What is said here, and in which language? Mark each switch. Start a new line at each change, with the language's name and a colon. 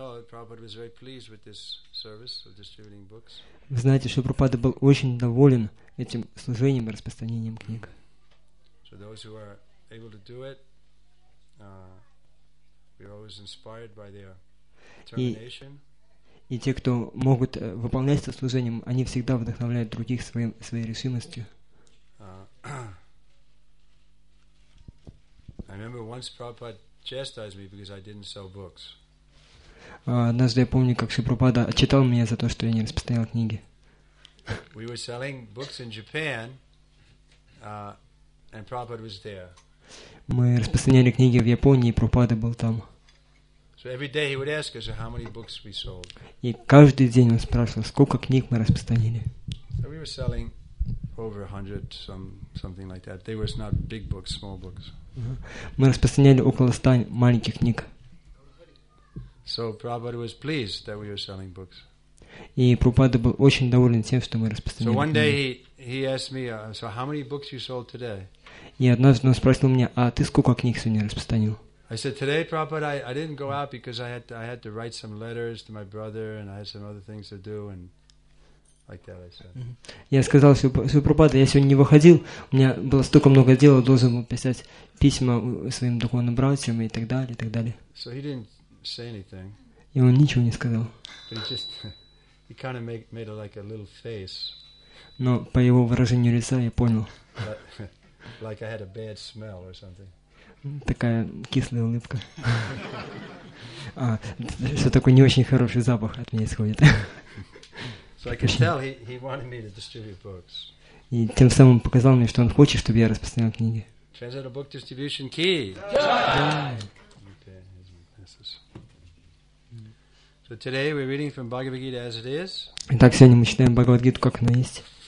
English: Prabhupada was very pleased with this service of distributing books.
Russian: Вы знаете, что Прабхупада был очень доволен этим служением и распространением книг.
English: So those who are able to do it, we're always inspired by their determination.
Russian: И те, кто могут выполнять это служением, они всегда вдохновляют других своей решимостью.
English: I remember once Prabhupada chastised me because I didn't sell books.
Russian: Однажды я помню, как Шри Прабхупада отчитал меня за то, что я не распространял книги.
English: We were selling books in Japan, and Prabhupada was there.
Russian: Мы распространяли книги в Японии, и Прабхупада был там.
English: So every day he would ask us how many books we sold.
Russian: И каждый день он спрашивал, сколько книг мы распространили.
English: So we were selling over 100, something like that. They were not big books, small books.
Russian: Мы распространяли около 100 маленьких книг.
English: So Prabhupada was pleased that we were selling books.
Russian: И Прабхупада был очень доволен тем, что мы распространяли книги.
English: So one day he asked me, so how many books you sold today?
Russian: И однажды он спросил меня, а ты сколько книг сегодня распространил?
English: I said today, Prabhupada, I didn't go out because I had to write some letters to my brother and I had some other things to do and like that. I said.
Russian: Я сказал, что Прабхупада, я сегодня не выходил, у меня было столько много дел, должен был писать письма своим духовным братьям и так далее, и так далее.
English: So he didn't say anything.
Russian: И он ничего не сказал.
English: But he kind of made like a little face.
Russian: Но по его выражению лица я понял.
English: Like I had a bad smell or something.
Russian: Такая кислая улыбка. А, что такой не очень хороший запах от меня исходит.
English: So I could tell he wanted me to distribute books.
Russian: И тем самым показал мне, что он хочет, чтобы я распространял книги.
English: Translate a book distribution key. Yeah. So today we're reading from Bhagavad Gita as it is.
Russian: Итак, сегодня мы читаем Бхагавад Гиту как она есть.